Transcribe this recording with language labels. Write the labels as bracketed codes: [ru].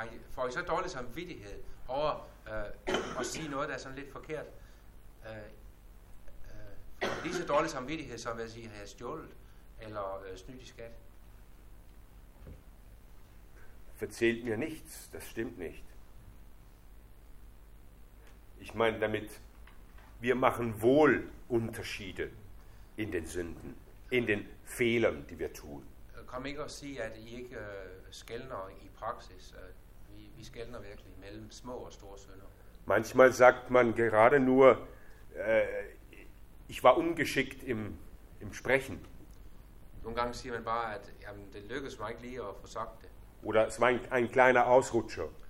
[da] får I så dårlig samvittighed over at sige noget, der er sådan lidt forkert? Lige så dårlig samvittighed, som hvis I havde stjålet eller snydt i skat? Fortæl mig [de] nichts, das stimmt nicht. Ich meine damit, wir machen wohl Unterschiede in den Sünden, in den Fehlern, die wir tun. [da] Kom ikke og sige, at I ikke skelner i praksis. Vi skelner virkelig mellem små og store synder. [de] Manchmal sagt man gerade nur, ich war ungeschickt im Sprechen. [da] Nogle gange siger man bare, at jamen, det lykkedes mig ikke lige at få sagt det. [de] Oder es war ein kleiner Ausrutscher.